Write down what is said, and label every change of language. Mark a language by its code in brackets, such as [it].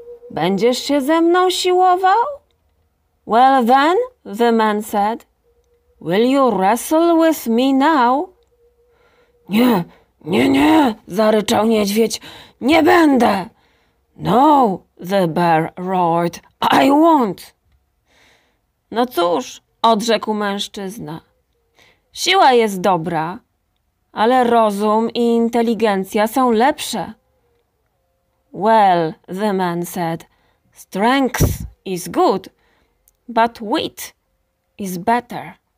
[pl] Będziesz się ze mną siłował? [en] Well then, the man said, will you wrestle with me now? [pl] Nie, nie, nie, zaryczał niedźwiedź, nie będę. [en] No, the bear roared, I won't. [pl] No cóż, odrzekł mężczyzna, siła jest dobra, ale rozum i inteligencja są lepsze. [en] Well, the man said, strength is good, but wit is better.